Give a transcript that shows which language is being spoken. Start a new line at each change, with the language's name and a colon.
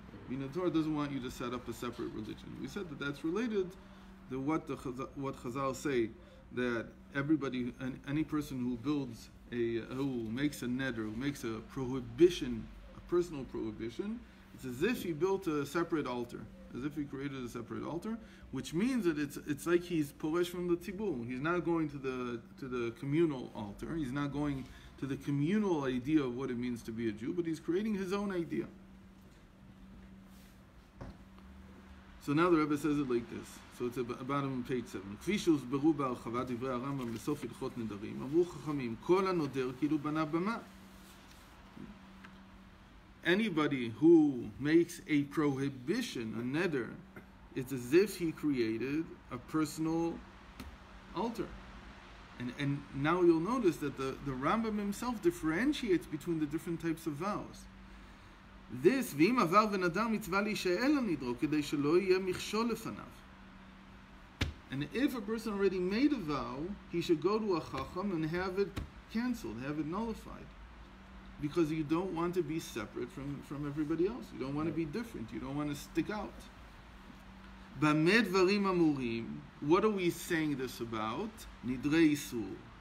English: I mean, the Torah doesn't want you to set up a separate religion. We said that that's related to what Chazal say, that everybody, any person who builds who makes a neder, who makes a prohibition, a personal prohibition, it's as if he built a separate altar, as if he created a separate altar, which means that it's like he's poresh from the tibul. He's not going to the communal altar. He's not going to the communal idea of what it means to be a Jew, but he's creating his own idea. So now the Rebbe says it like this. So it's about on page 7.
Hebrew: כפי שהוסברו בהרחבת דברי הרמב"ם בסוף הלכות נדרים, אמרו חכמים, כל הנודר כאילו בנה במה.
English: Anybody who makes a prohibition, a neder, it's as if he created a personal altar. And now you'll notice that the Rambam himself differentiates between the different types of vows. This,
Hebrew: ואם עבר ונדר מצווה להישאל הנדרו, כדי שלא יהיה מכשול לפניו.
English: And if a person already made a vow, he should go to a chacham and have it canceled, have it nullified. Because you don't want to be separate from everybody else. You don't want to be different. You don't want to stick out.
Hebrew: במה דברים אמורים,
English: what are we saying this about?
Hebrew: נדרי איסור.